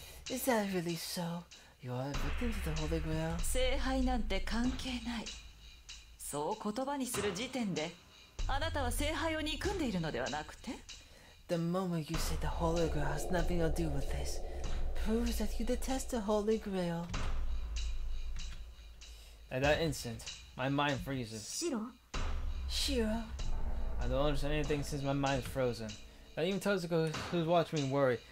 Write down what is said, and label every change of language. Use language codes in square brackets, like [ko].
[en] Is that really so? You are a victim to the Holy Grail. [ja] 聖杯なんて関係ない。 So, 言葉にする時点で、あなたは聖杯を憎んでいるのではなくて? [en] The moment you say the Holy Grail has nothing to do with this, proves that you detest the Holy Grail. At that instant, my mind freezes. Shiro? I don't understand anything since my mind is frozen. Not even Tozuko, who's watching me worry.